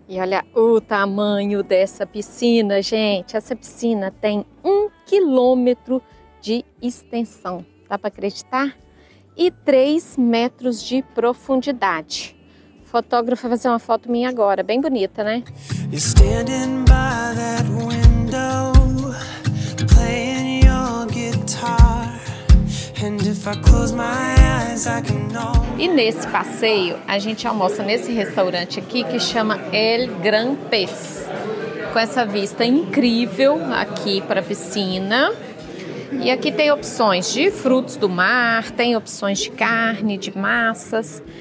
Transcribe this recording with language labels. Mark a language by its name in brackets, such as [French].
[Portuguese] E olha o tamanho dessa piscina, gente. Essa piscina tem 1 quilômetro de extensão. Dá para acreditar? E 3 metros de profundidade. O fotógrafo vai fazer uma foto minha agora. Bem bonita, né? [English] Standing by that window, playing your guitar. And if I close my eyes, I can know. [Portuguese] E nesse passeio, a gente almoça nesse restaurante aqui que chama El Gran Pez. Com essa vista incrível aqui para a piscina. E aqui tem opções de frutos do mar, tem opções de carne, de massas.